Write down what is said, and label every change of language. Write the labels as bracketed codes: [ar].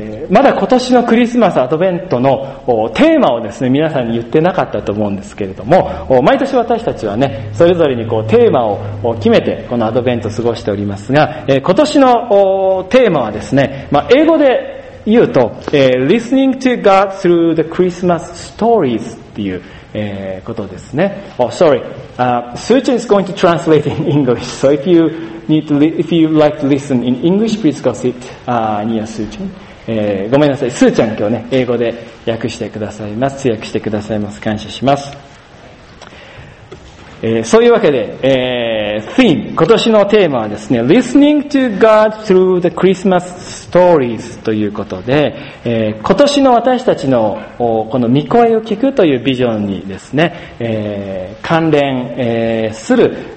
[ja] まだ今年のクリスマスアドベントのテーマをですね、皆さんに言ってなかったと思うんですけれども、毎年私たちはね、それぞれにこうテーマを決めてこのアドベントを過ごしておりますが、今年のテーマはですね、まあ英語で言うと [en] Listening to God through the Christmas Stories [ja] っていうことですね。 [en] Oh sorry, Suchin is going to translate in English, so if youif you like to listen in English, please go sit near Suchan. [ja] ごめんなさい、スーちゃん今日ね、英語で訳してくださいます。通訳してくださいます。感謝します。そういうわけで、theme、今年のテーマはですね、 [en] Listening to God through the Christmas Stories [ja] ということで、今年の私たちのこの御声を聞くというビジョンにですね、関連、する、